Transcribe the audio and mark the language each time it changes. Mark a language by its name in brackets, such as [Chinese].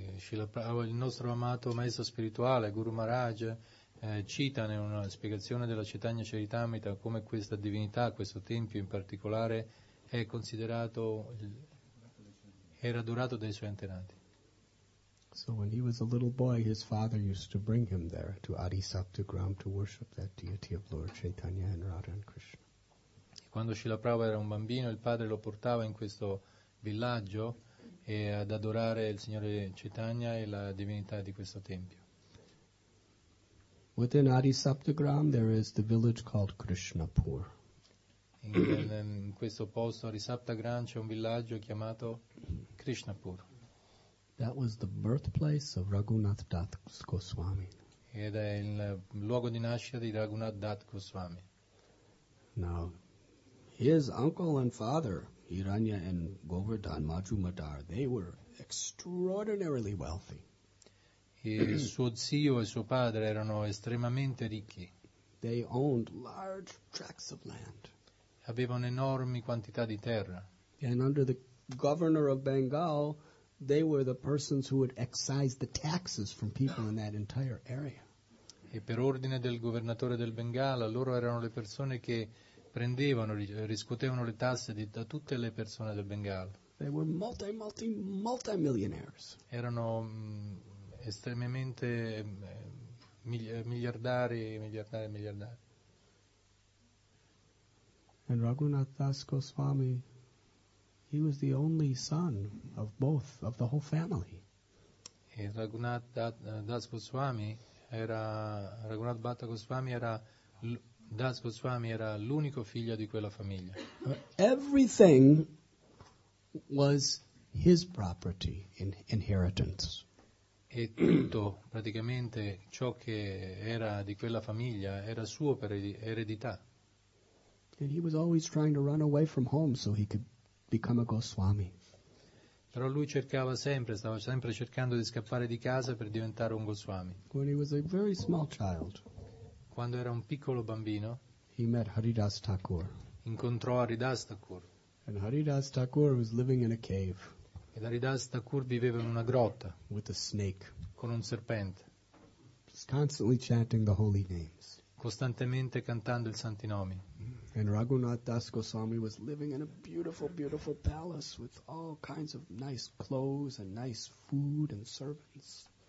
[Italian] Il nostro amato maestro spirituale, Guru Maharaj, cita in una spiegazione della Chaitanya Charitamrita come questa divinità, questo tempio in particolare, è considerato, era adorato dai suoi antenati. [English] So when he was a little boy, his father used to bring him there to Adi Saptagram to worship that deity of Lord Chaitanya and Radha and Krishna. [Italian] Quando Srila Prabhupada era un bambino, il padre lo portava in questo villaggio e ad adorare il Signore Chaitanya e la divinità di questo tempio. [English] Within Adi Saptagram there is the village called Krishnapur. [Italian] In questo posto Adi Saptagram c'è un villaggio chiamato Krishnapur. [English] That was the birthplace of Raghunath Das Goswami. [Italian] Ed è il luogo di nascita di Raghunath Das Goswami. [English] Now, his uncle and father, Hiranya and Govardhan Majumdar, they were extraordinarily wealthy. [Italian] E suo zio e suo padre erano estremamente ricchi. [English] They owned large tracts of land. [Italian] Avevano enormi quantità di terra. [English] And under the governor of Bengal, they were the persons who would excise the taxes from people in that entire area. [Italian] E per ordine del governatore del Bengala, loro erano le persone che prendevano, riscuotevano le tasse da tutte le persone del Bengala. [English] They were multi-millionaires. [Italian] Erano estremamente miliardari, miliardari, miliardari. [English] And Raghunath Das Goswami, he was the only son of both, of the whole family. [Italian] E Raghunath Das Goswami era, Raghunath Bhatta Goswami era, Das Goswami era l'unico figlio di quella famiglia. [English] Everything was his property, in inheritance. [Italian] E tutto, praticamente, ciò che era di quella famiglia era suo per eredità. [English] And he was always trying to run away from home so he could become a Goswami. [Italian] Però lui cercava sempre, stava sempre cercando di scappare di casa per diventare un Goswami. [English] When he was a very small child, [Italian] quando era un piccolo bambino, [English] he met Haridas Thakur. [Italian] Incontrò Haridas Thakur. [English] And Haridas Thakur was living in a cave. [Italian] E Haridas Thakur viveva in una grotta [English] with a snake, [Italian] con un serpente, [English] constantly chanting the holy names, [Italian] costantemente cantando i santi nomi. [English] And Raghunath Das Goswami was living in a beautiful, beautiful palace with all kinds of nice clothes and nice food and servants.